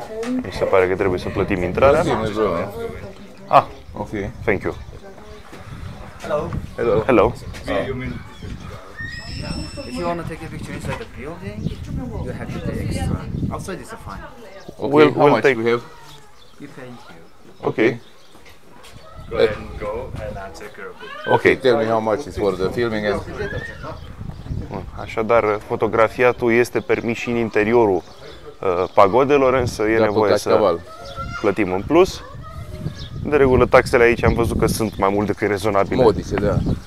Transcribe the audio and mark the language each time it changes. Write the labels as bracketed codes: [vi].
[ro] Mi se pare că trebuie să plătim intrarea. Ah, [en] ok. Thank you. Hello. Hello. Hello. If you want to take a picture inside the building, you have to pay extra. Outside is fine. Okay. We'll how much take... we have? You pay. Okay. Go ahead and go, and I'll take care of it. Okay. Tell me how much is for the filming and. [ro] Așadar, fotografiatul este permis și în interiorul pagodelor, însă e nevoie să plătim în plus. De regulă, taxele aici am văzut că sunt mai mult decât rezonabile. Modice, da.